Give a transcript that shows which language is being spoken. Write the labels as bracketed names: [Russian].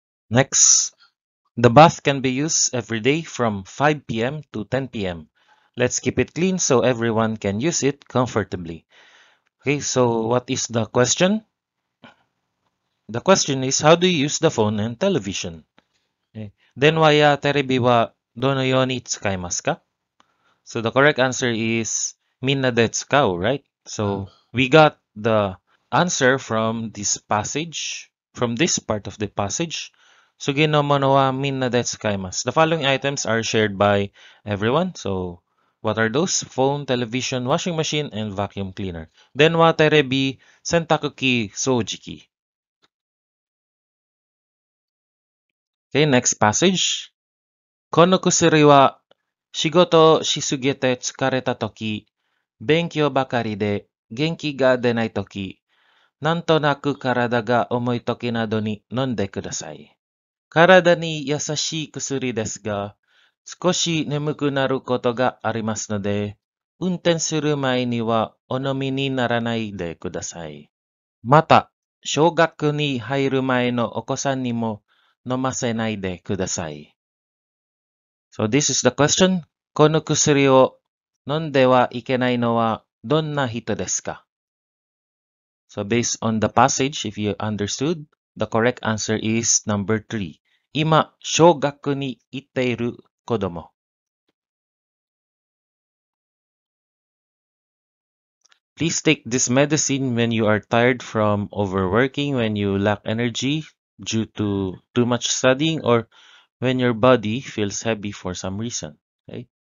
[English] Next, the bath can be used every day from 5 p.m. to 10 p.m. Let's keep it clean so everyone can use it comfortably. Okay, so what is the question? The question is, how do you use the phone and television? [Japanese] 電話やテレビはどのように使いますか? [English] So the correct answer is, [Japanese] みんなで使う, [English] right? So we got the answer from this passage, from this part of the passage. [Japanese] 次のものはみんなで使います. [English] The following items are shared by everyone. So what are those? Phone, television, washing machine, and vacuum cleaner. [Japanese] 電話、テレビ、洗濯機、掃除機。 [English] Okay, next passage. [Japanese] この薬は仕事をしすぎて疲れたとき、勉強ばかりで元気が出ないとき、なんとなく体が重いときなどに飲んでください。体に優しい薬ですが、少し眠くなることがありますので、運転する前にはお飲みにならないでください。また、小学に入る前のお子さんにも、飲ませないでください。 [English] So this is the question. [Japanese] この薬を飲んではいけないのはどんな人ですか? [English] So based on the passage, if you understood, the correct answer is number 3. [Japanese] 今、小学に行っている子供。 [English] Please take this medicine when you are tired from overworking, when you lack energy due to too much studying or when your body feels heavy for some reason. Okay?